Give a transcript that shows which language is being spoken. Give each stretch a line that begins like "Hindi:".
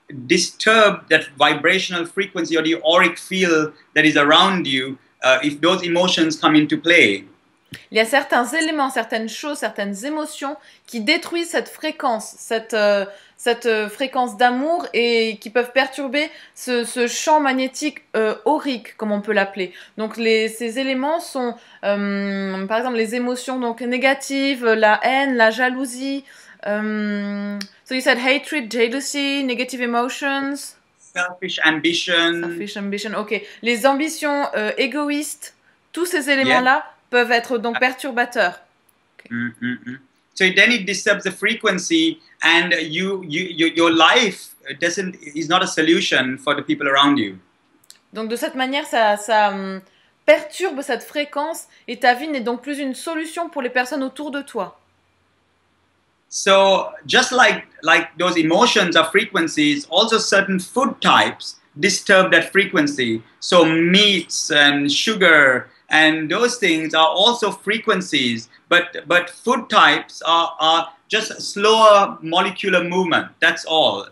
English: disturb that vibrational frequency or the auric field that is around you, if those emotions come into play.
French: Il y a certains éléments, certaines choses, certaines émotions qui détruisent cette fréquence, cette fréquence d'amour et qui peuvent perturber ce champ magnétique aurique, comme on peut l'appeler. Donc ces éléments sont, par exemple, les émotions donc négatives, la haine, la jalousie.
English: So you said hatred, jealousy, negative emotions. Selfish ambition. Selfish ambition, ok.
French: Les ambitions égoïstes, tous ces éléments-là, yeah, peuvent être donc perturbateurs. Okay. Mm-hmm.
English: So then it disturbs the frequency and your life is not a solution for the people around you.
French: Donc de cette manière, ça perturbe cette fréquence et ta vie n'est donc plus une solution pour les personnes autour de toi.
English: So just like those emotions are frequencies, also certain food types disturb that frequency. So meats and sugar and those things are also frequencies, but food types are just slower molecular movement, that's all.